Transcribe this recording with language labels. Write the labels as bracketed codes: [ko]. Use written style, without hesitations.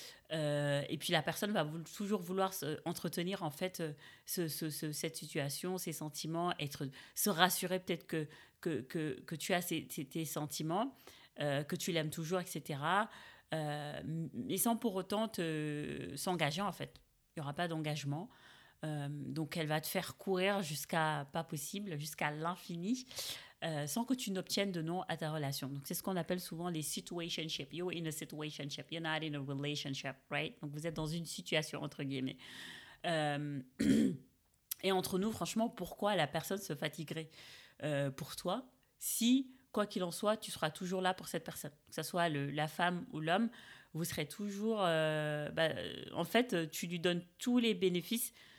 [fr] Et puis la personne va toujours vouloir entretenir en fait cette situation, ses sentiments, se rassurer peut-être que tu as tes sentiments, que tu l'aimes toujours, etc. Mais sans pour autant s'engager en fait. Il n'y aura pas d'engagement. Donc elle va te faire courir jusqu'à pas possible, jusqu'à l'infini. Sans que tu n'obtiennes de nom à ta relation. Donc, c'est ce qu'on appelle souvent les situationships. [en] You're in a situationship, you're not in a relationship, right? [fr] Donc, vous êtes dans une situation, entre guillemets. Et entre nous, franchement, pourquoi la personne se fatiguerait pour toi si, quoi qu'il en soit, tu seras toujours là pour cette personne? Que ce soit la femme ou l'homme, vous serez toujours... en fait, tu lui donnes tous les bénéfices